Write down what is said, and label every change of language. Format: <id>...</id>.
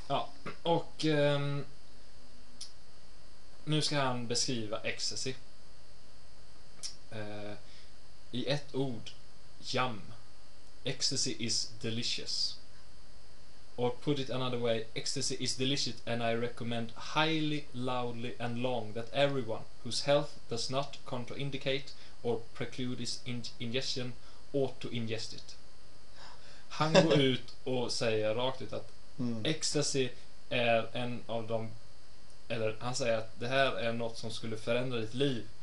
<sv>Ja, och nu ska han beskriva ecstasy i ett ord: yum.</sv> <en>Ecstasy is delicious. Or put it another way, ecstasy is delicious and I recommend highly, loudly and long that everyone whose health does not contraindicate or preclude its ingestion ought to ingest it.</en> <sv>Han går ut och säger rakt ut att ecstasy är en av de, eller han säger att det här är något som skulle förändra ditt liv.</sv>